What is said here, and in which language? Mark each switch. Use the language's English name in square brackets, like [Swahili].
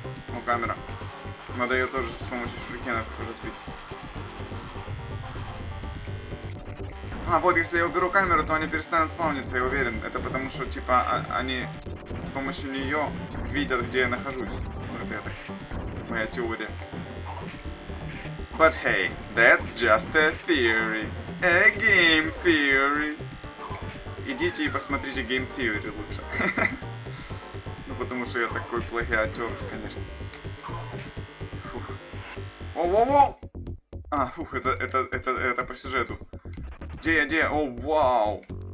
[Russian] О, камера. Надо ее тоже с помощью шурикенов разбить. А, вот, если я уберу камеру, то они перестанут спауниться, я уверен. Это потому, что, типа, они с помощью нее видят, где я нахожусь. Вот это моя теория. [English] But hey, that's just a theory. A game theory. [Russian] Идите и посмотрите game theory лучше. Ну, потому что я такой плагиатер, конечно. Фух. Во-во-во! А, фух, это по сюжету. Где? О, вау!